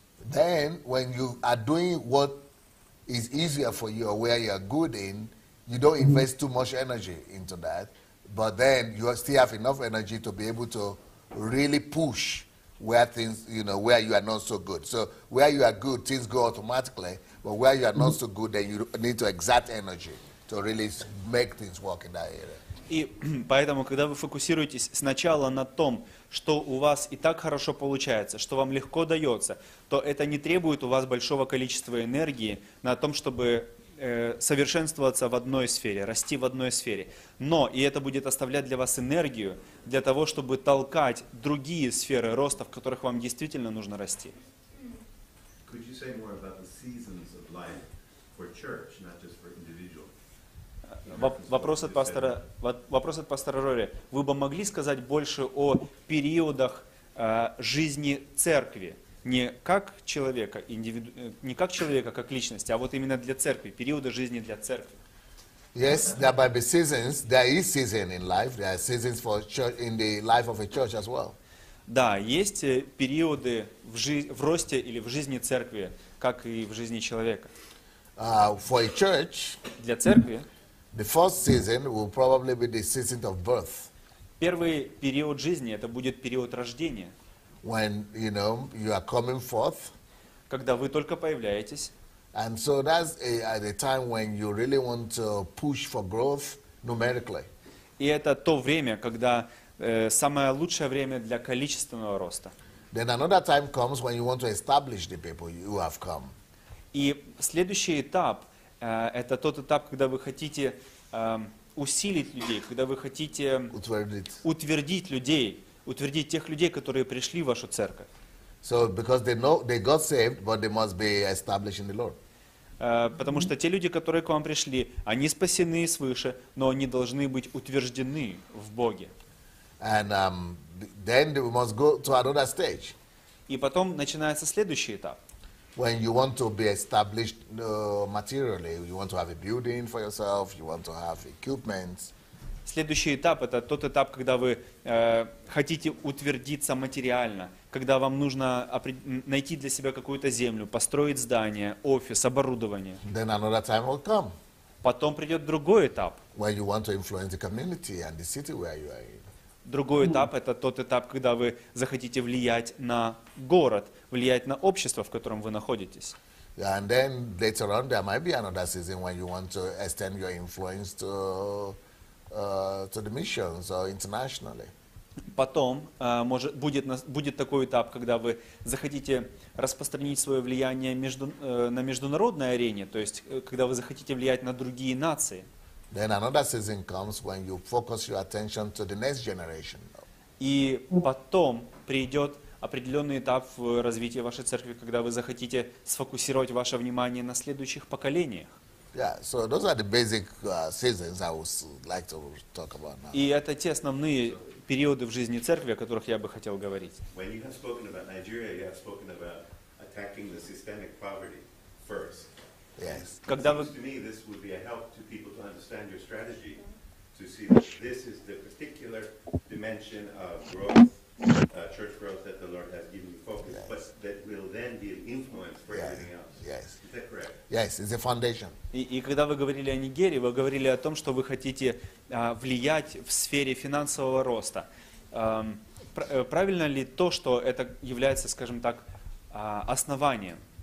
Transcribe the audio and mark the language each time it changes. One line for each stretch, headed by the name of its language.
English: Then when you are doing what is easier for you or where you are good in, you don't invest too much energy into that, but then you still have enough energy to be able to really push where things, you know, where you are not so good. So where you are good, things go automatically, but where you are not so good, then you need to exert energy to really make things work in that area.
Russian: И поэтому, когда вы фокусируетесь сначала на том, что у вас и так хорошо получается, что вам легко дается, то это не требует у вас большого количества энергии на том, чтобы совершенствоваться в одной сфере, расти в одной сфере. Но и это будет оставлять для вас энергию для того, чтобы толкать другие сферы роста, в которых вам действительно нужно расти.
English: Could you say more about the seasons of life for church, not just for individual?
Russian: Вопрос от пастора Рори. Вы бы могли сказать больше о периодах жизни церкви? Не как человека, как личности, а вот именно для церкви, периоды жизни для церкви.
English: Yes, there might be seasons. There is season in life. There are seasons for church, in the life of a church as well.
Russian: Да, есть периоды в росте или в жизни церкви, как и в жизни человека.
English: For a church,
Russian: для церкви,
English: the first season will probably be the season of birth.
Russian: Первый период жизни — это будет период рождения.
English: When you know you are coming forth.
Russian: Когда вы только появляетесь.
English: And so that's a time when you really want to push for growth numerically.
Russian: И это то время, когда самое лучшее время для количественного роста.
English: Then another time comes when you want to establish the people you have come.
Russian: И следующий этап — это тот этап, когда вы хотите усилить людей, когда вы хотите утвердить тех людей, которые пришли в вашу церковь.
English: So because they know they got saved, but they must be established in the Lord.
Russian: Потому что те люди, которые к вам пришли, они спасены свыше, но они должны быть утверждены в Боге.
English: And then we must go to another stage.
Russian: И потом начинается следующий этап.
English: when you want to be established materially, you want to have a building for yourself, you want to have equipment.
Russian: Следующий этап — это тот этап, когда вы хотите утвердиться материально, когда вам нужно найти для себя какую-то землю, построить здание, офис, оборудование.
English: Then another time will come.
Russian: Потом придет другой этап.
English: When you want to influence the community and the city where you are in.
Russian: Другой этап — это тот этап, когда вы захотите влиять на город, влиять на общество, в котором вы находитесь.
English: Yeah, and then later on there might be another season when you want to extend your influence to to the missions or internationally.
Russian: Потом может будет такой этап, когда вы захотите распространить свое влияние на международной арене, то есть когда вы захотите влиять на другие нации.
English: Then another season comes when you focus your attention to the next generation.
Russian: И потом придет определенный этап в развитии вашей церкви, когда вы захотите сфокусировать ваше внимание на следующих поколениях.
English: Yeah, so those are the basic seasons I would like to talk about now.
Russian: И это те основные периоды в жизни церкви, о которых я бы хотел говорить.
English: When you have spoken about Nigeria, you have spoken about attacking the systemic poverty first. Yes.
Russian: Когда вы...
English: To me, this would be a help to people to understand your strategy, to see that this is the particular dimension of growth, church growth that the Lord has given you focus, yes. But that will then be an influence for everything else. Yes, it's a foundation.
Russian: И когда вы говорили о Нигерии, вы говорили о том, что вы хотите влиять в сфере финансового роста. Правильно ли то, что это является, скажем так, основанием?